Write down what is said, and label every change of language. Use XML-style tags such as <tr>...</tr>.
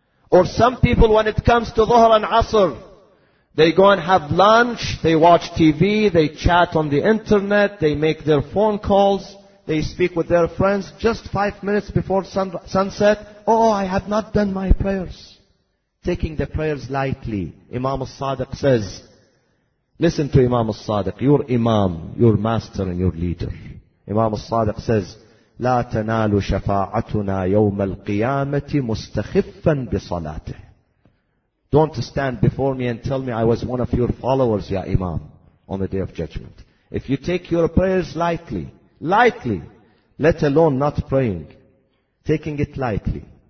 <en>Or some people, when it comes to Dhuhr and Asr, they go and have lunch, they watch TV, they chat on the internet, they make their phone calls, they speak with their friends just 5 minutes before sunset. Oh, I have not done my prayers. Taking the prayers lightly. Imam al-Sadiq says, listen to Imam al-Sadiq, your imam, your master and your leader. Imam al-Sadiq says,</en> <ar>لا تنال شفاعتنا يوم القيامة مستخفا بصلاته.</ar> <en>Don't stand before me and tell me I was one of your followers, ya Imam, on the Day of Judgment. If you take your prayers lightly, lightly, let alone not praying, taking it lightly.</en>